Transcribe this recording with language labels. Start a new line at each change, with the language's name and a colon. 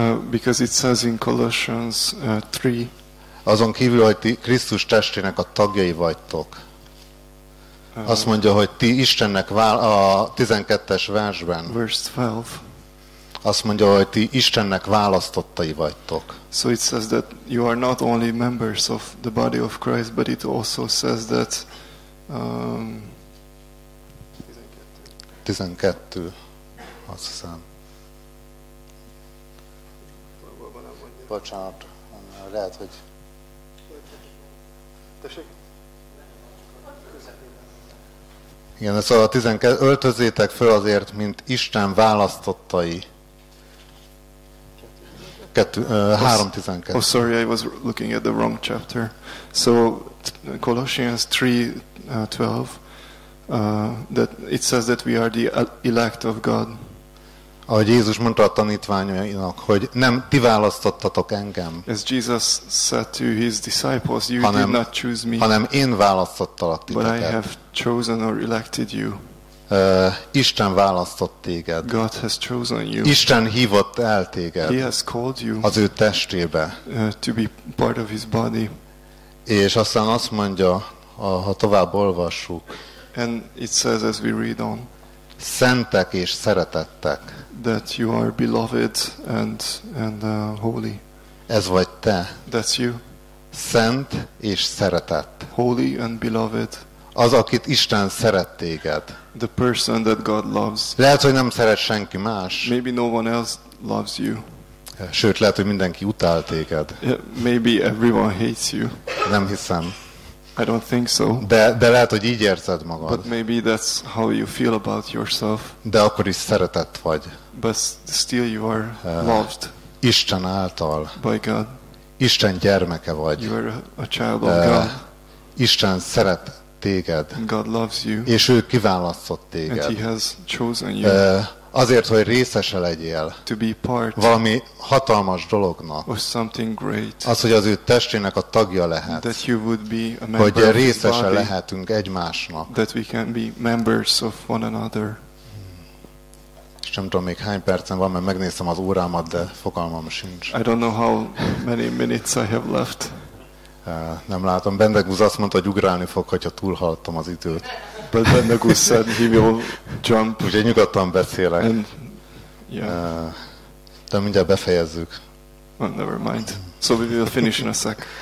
English: Because it says in Colossians 3.
Hungarian: Azon kívül, hogy ti Krisztus testének a tagjai vagytok. Azt mondja, hogy ti Istennek a 12-es versben.
English: Verse 12.
Hungarian: Azt mondja, hogy ti Istennek választottai vagytok.
English: So it says that you are not only members of the body of Christ, but it also says that
Hungarian: 12, azt hiszem. bocsánat, lehet, hogy... Tessék? Igen, ez a 12. Öltözzétek föl azért, mint Isten választottai. 3:12.
English: Oh, sorry, I was looking at the wrong chapter. So, Colossians 3:12, that it says that we are the elect of God.
Hungarian: Ahogy Jézus mondta a tanítványainak, hogy nem ti választottatok engem.
English: As Jesus said to his disciples, you
Hungarian: hanem,
English: did not choose me.
Hungarian: Hanem én választottalak titeket.
English: But I have chosen or elected you.
Hungarian: Isten választott téged.
English: God has chosen you.
Hungarian: Isten hívott el téged.
English: He has called you.
Hungarian: Az ő testébe.
English: To be part of his body.
Hungarian: És aztán azt mondja, ha tovább olvassuk.
English: And it says as we read on.
Hungarian: Szentek és szeretettek.
English: That you are beloved and holy.
Hungarian: Ez vagy te.
English: That's you.
Hungarian: Szent és szeretett.
English: Holy and beloved.
Hungarian: Az, akit Isten szeret téged.
English: The person that God loves.
Hungarian: Lehet, hogy nem szeret senki más.
English: Maybe no one else loves you.
Hungarian: Sőt, lehet, hogy mindenki utál téged.
English: Maybe everyone hates you.
Hungarian: Nem hiszem.
English: I don't think so.
Hungarian: De lehet, hogy így érzed magad.
English: But maybe that's how you feel about yourself.
Hungarian: De akkor is szeretett vagy.
English: But still you are loved.
Hungarian: Isten által.
English: By God.
Hungarian: Isten gyermeke vagy.
English: You are a child of God.
Hungarian: Isten szeret téged.
English: And God loves you.
Hungarian: És ő kiválasztott téged.
English: And he has chosen you.
Hungarian: Azért, hogy részese legyél
English: to be part
Hungarian: valami hatalmas dolognak.
English: Or something great.
Hungarian: Az, hogy az ő testének a tagja lehet.
English: That you would be a member
Hungarian: hogy részese
English: of body,
Hungarian: lehetünk egymásnak.
English: That we can be members of one another.
Hungarian: És nem tudom, még hány percen van, mert megnéztem az órámat, de fogalmam sincs.
English: I don't know how many minutes I have left.
Hungarian: Nem látom. Bendegúz azt mondta, hogy ugrálni fog, hogyha túlhaladtam az időt.
English: But Bendegúz said he will jump.
Hungarian: Úgyhogy nyugodtan beszélek.
English: And, yeah.
Hungarian: De mindjárt befejezzük.
English: Well, never mind. So we will finish in a sec.